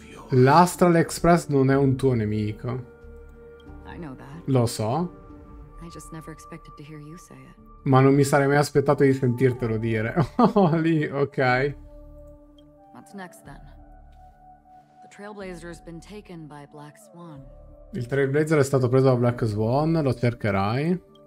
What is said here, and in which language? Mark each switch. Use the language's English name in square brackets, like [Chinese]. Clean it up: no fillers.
[Italian] L'Astral Express non è un tuo nemico. Lo so. Ma non mi sarei mai aspettato di sentirtelo dire. Lì, ok. [English] What's next then? The Trailblazer has been taken by Black Swan. [Italian] Il Trailblazer è stato preso da Black Swan, lo cercherai.